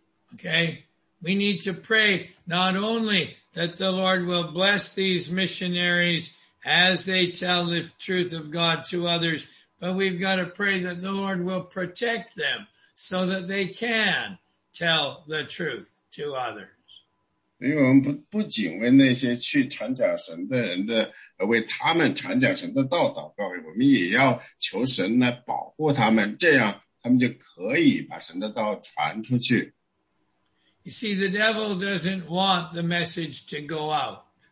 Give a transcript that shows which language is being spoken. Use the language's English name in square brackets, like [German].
[English] Okay, we need to pray not only that the Lord will bless these missionaries as they tell the truth of God to others, but we've got to pray that the Lord will protect them so that they can tell the truth to others. [Chinese] 因为我们不仅为那些去传讲神的人的，为他们传讲神的道祷告，我们也要求神来保护他们，这样他们就可以把神的道传出去。 [English] You see, the devil doesn't want the message to go out.